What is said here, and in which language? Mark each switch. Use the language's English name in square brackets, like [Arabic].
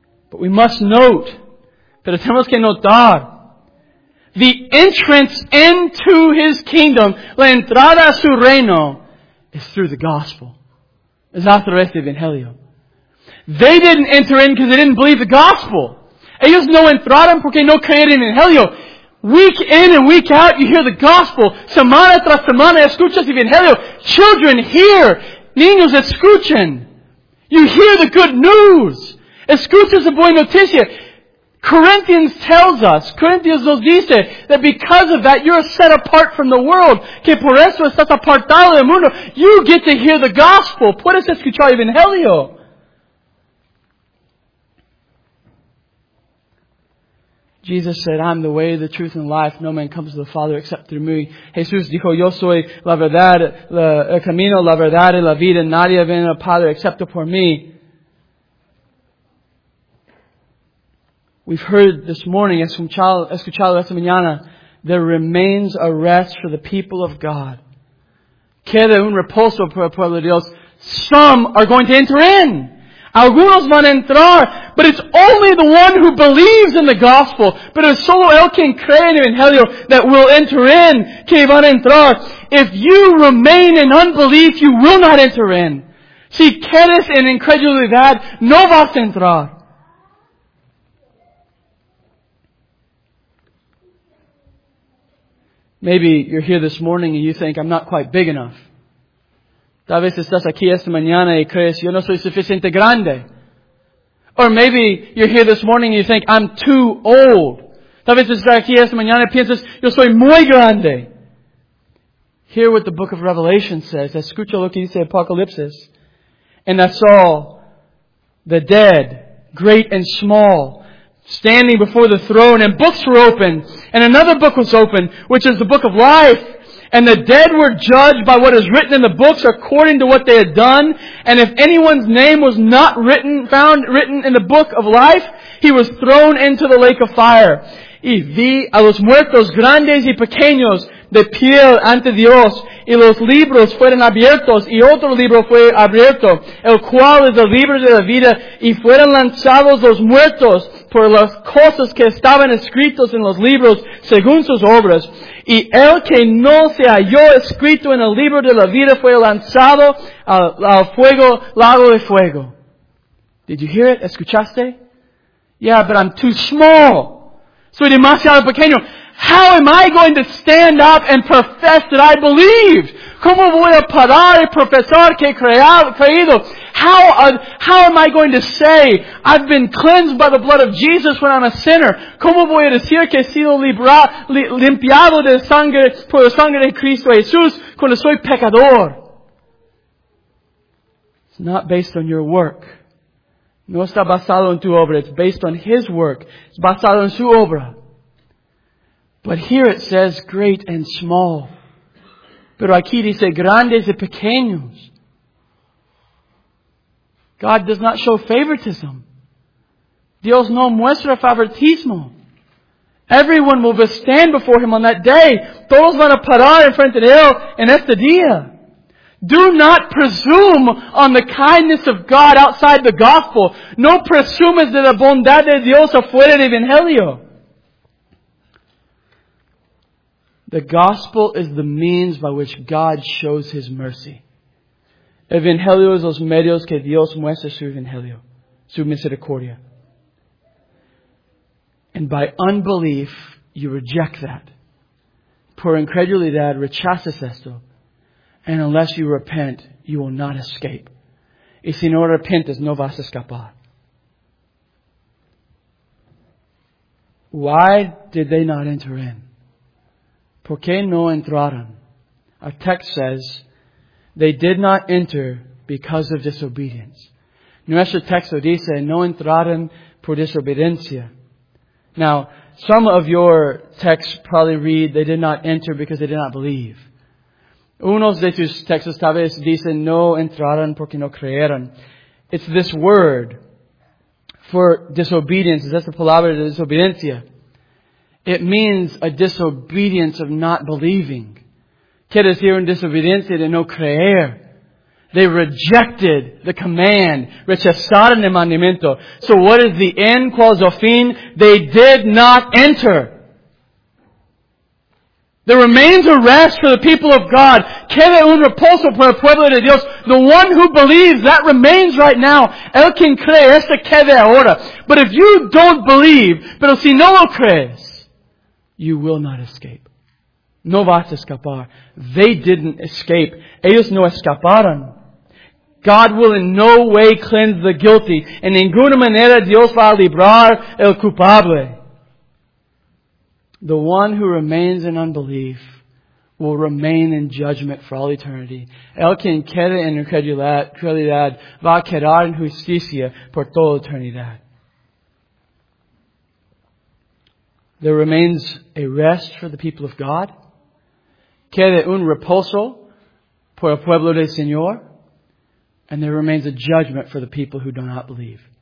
[English] But we must note, [Spanish] pero tenemos que notar, [English] the entrance into His kingdom, [Spanish] la entrada a su reino, [English] is through the gospel. [Spanish] Es a través del evangelio. [English] They didn't enter in because they didn't believe the gospel. [Spanish] Ellos no entraron porque no creyeron en el evangelio. [English] Week in and week out, you hear the gospel. [Spanish] Semana tras semana, escuchas el evangelio. [English] Children, hear. [Spanish] Niños, escuchen. You hear the good news. Escuchas la buena noticia. [English] Corinthians tells us, [Spanish] Corinthians nos dice, [English] that because of that, you're set apart from the world. [Spanish] Que por eso estás apartado del mundo. [English] You get to hear the gospel. [Spanish] Puedes escuchar el evangelio. [English] Jesus said, I'm the way, the truth, and life. No man comes to the Father except through me. [Spanish] Jesús dijo, yo soy la verdad, el camino, la verdad y la vida. Nadie viene al Padre [English] except [Spanish] por mí. [English] We've heard this morning, [Spanish] escuchado esta mañana, [English] there remains a rest for the people of God. [Spanish] Queda un reposo para el pueblo de Dios. [English] Some are going to enter in. [Spanish] Algunos van a entrar. [English] But it's only the one who believes in the gospel. [Spanish] Pero es solo el que cree en el evangelio [English] that will enter in. [Spanish] Que van a entrar. [English] If you remain in unbelief, you will not enter in. [Spanish] Si quedas en incredulidad, no vas a entrar. [English] Maybe you're here this morning and you think, I'm not quite big enough. [Spanish] Tal vez estás aquí esta mañana y crees, yo no soy suficiente grande. [English] Or maybe you're here this morning and you think, I'm too old. [Spanish] Tal vez estás aquí esta mañana y piensas, yo soy muy grande. [English] Hear what the book of Revelation says. [Spanish] Escucha lo que dice Apocalipsis. [English] And I saw the dead, great and small, standing before the throne, and books were opened, and another book was opened, which is the book of life. And the dead were judged by what is written in the books according to what they had done. And if anyone's name was not found written in the book of life, he was thrown into the lake of fire. [Spanish] Y vi a los muertos grandes y pequeños de pie ante Dios, y los libros fueron abiertos, y otro libro fue abierto, el cual es el libro de la vida, y fueron lanzados los muertos por las cosas que estaban escritos en los libros según sus obras. Y el que no se halló escrito en el libro de la vida fue lanzado al fuego, lago de fuego. [English] Did you hear it? [Spanish] ¿Escuchaste? [English] Yeah, but I'm too small. [Spanish] Soy demasiado pequeño. [English] How am I going to stand up and profess that I believe? [Spanish] ¿Cómo voy a parar y profesar que he creído? [English] How am I going to say I've been cleansed by the blood of Jesus when I'm a sinner? [Spanish] ¿Cómo voy a decir que he sido limpiado de sangre por la sangre de Cristo Jesús cuando soy pecador? [English] It's not based on your work. [Spanish] No está basado en tu obra. [English] It's based on His work. It's [Spanish] basado en su obra. [English] But here it says great and small. [Spanish] Pero aquí dice grandes y pequeños. [English] God does not show favoritism. [Spanish] Dios no muestra favoritismo. [English] Everyone will stand before Him on that day. [Spanish] Todos van a parar en frente de Él en este día. [English] Do not presume on the kindness of God outside the gospel. [Spanish] No presumes de la bondad de Dios afuera del evangelio. [English] The gospel is the means by which God shows His mercy. [Spanish] Evangelio es los medios que Dios muestra su evangelio, su misericordia. [English] And by unbelief, you reject that. [Spanish] Por incredulidad, rechazas esto. [English] And unless you repent, you will not escape. [Spanish] Y si no arrepentes, no vas a escapar. [English] Why did they not enter in? [Spanish] ¿Por qué no entraron? [English] Our text says, they did not enter because of disobedience. [Spanish] Nuestro texto dice, no entraron por desobediencia. [English] Now, some of your texts probably read, they did not enter because they did not believe. [Spanish] Unos de tus textos tal vez dicen, no entraron porque no creyeron. [English] It's this word for disobedience. That's the [Spanish] palabra de desobediencia. [English] It means a disobedience of not believing. [Spanish] Quiere decir un desobediencia de no creer. [English] They rejected the command. [Spanish] Rechazaron el mandamiento. [English] So what is the end? [Spanish] ¿Cuál es el fin? [English] They did not enter. There remains a rest for the people of God. [Spanish] Queda un reposo para el pueblo de Dios. [English] The one who believes, that remains right now. [Spanish] El quien cree, este queda ahora. [English] But if you don't believe, [Spanish] pero si no lo crees, [English] you will not escape. [Spanish] No vas a escapar. [English] They didn't escape. [Spanish] Ellos no escaparon. [English] God will in no way cleanse the guilty. [Spanish] En ninguna manera Dios va a librar el culpable. [English] The one who remains in unbelief will remain in judgment for all eternity. [Spanish] El quien queda en incredulidad va a quedar en justicia por toda eternidad. [English] There remains a rest for the people of God. [Spanish] Queda un reposo por el pueblo del Señor. [English] And there remains a judgment for the people who do not believe.